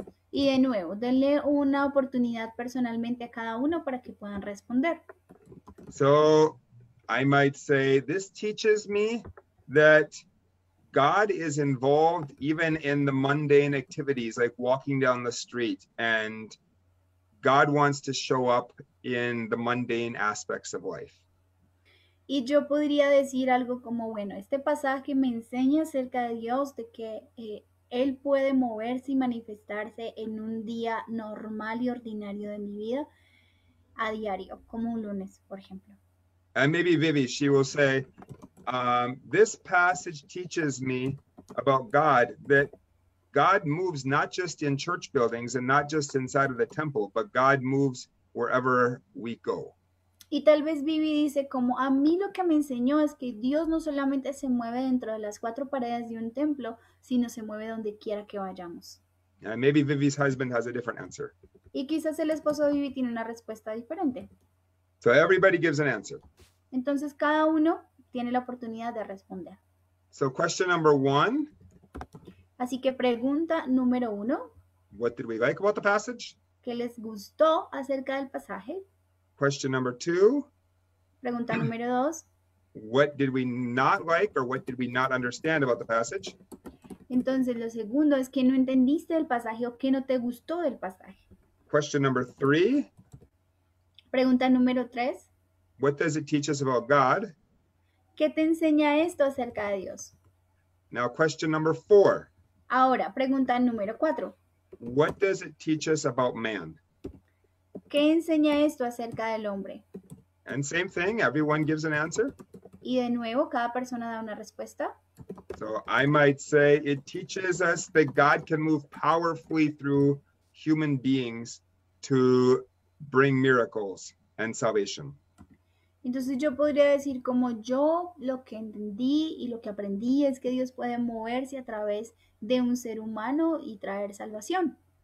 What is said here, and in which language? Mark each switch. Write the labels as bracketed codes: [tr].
[es] Y de nuevo, denle una oportunidad personalmente a cada uno para que puedan responder. [en] So, I might say, this teaches me that God is involved even in the mundane activities like walking down the street, and God wants to show up in the mundane aspects of life. [es] Y yo podría decir algo como, bueno, este pasaje me enseña acerca de Dios, de que Él puede moverse y manifestarse en un día normal y ordinario de mi vida, a diario, como un lunes, por ejemplo. [en] And maybe Vivi, she will say, this passage teaches me about God, that God moves not just in church buildings and not just inside of the temple, but God moves wherever we go. [es] Y tal vez Vivi dice como, a mí lo que me enseñó es que Dios no solamente se mueve dentro de las cuatro paredes de un templo, sino se mueve donde quiera que vayamos. [en] And maybe Vivi's husband has a different answer. [es] Y quizás el esposo de Vivi tiene una respuesta diferente. [en] So everybody gives an answer. [es] Entonces cada uno tiene la oportunidad de responder. [en] So question number one. [es] Así que pregunta número uno. [en] What did we like about the passage? [es] ¿Qué les gustó acerca del pasaje? [en] Question number two. [es] Pregunta número dos. [en] What did we not like or what did we not understand about the passage? [es] Entonces, lo segundo es que no entendiste el pasaje o que no te gustó del pasaje. [en] Question number three. [es] Pregunta número tres. [en] What does it teach us about God? [es] ¿Qué te enseña esto acerca de Dios? [en] Now, question number four. [es] Ahora, pregunta número cuatro. [en] What does it teach us about man? [es] ¿Qué enseña esto acerca del hombre? [en] And same thing, everyone gives an answer. [es] Y de nuevo, cada persona da una respuesta. [en] So I might say it teaches us that God can move powerfully through human beings to bring miracles and salvation. [es] Entonces yo podría decir como yo lo que entendí y lo que aprendí es que Dios puede moverse a través de un ser humano y traer salvación.